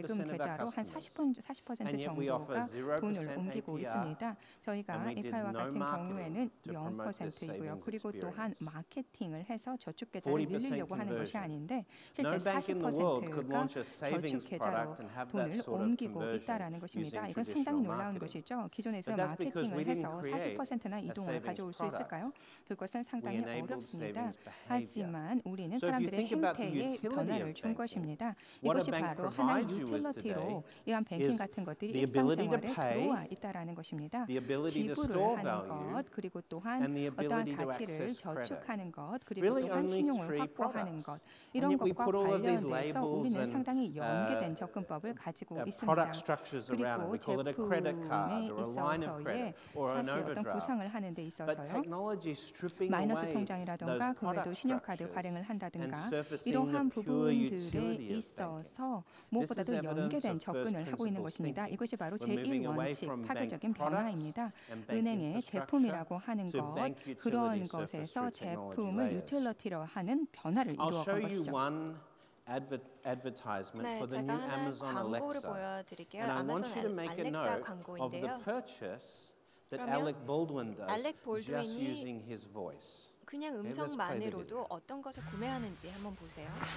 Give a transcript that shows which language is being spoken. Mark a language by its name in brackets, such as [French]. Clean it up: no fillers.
[English] 40% of our customers. And yet we offer 0% APR, and we did no marketing to promote this savings experience. 40% conversion. No bank in the world could launch a savings product and have that sort of conversion using traditional marketing. But that's because we [Korean] 40%나 이동을 가져올 수 있을까요? 그것은 상당히 어렵습니다. 하지만 우리는 사람들의 행태의 변화를 준 것입니다. 이것이 바로 하나의 유틸리티로 이런 뱅킹 같은 것들이 일상생활에 들어와 있다라는 것입니다. 지불을 하는 것, 그리고 또한 어떤 가치를 저축하는 것, 그리고 또한 신용을 확보하는 것, 이런 것과 관련돼서 우리는 상당히 연계된 접근법을 가지고 있습니다. 그리고 제품에 있어서의 [English] or an overdraft. But technology stripping away those product structures and surfacing the pure utility of banking. This is evidence of first principles thinking. We're moving away from bank products and bank infrastructure to bank utility surface through technology layers. I'll show you one advertisement for the new Amazon Alexa. And I want you to make a note of the purchase that Alec Baldwin does just using his voice. [Korean] 그냥 음성만으로도 어떤 것을 구매하는지 한번 보세요.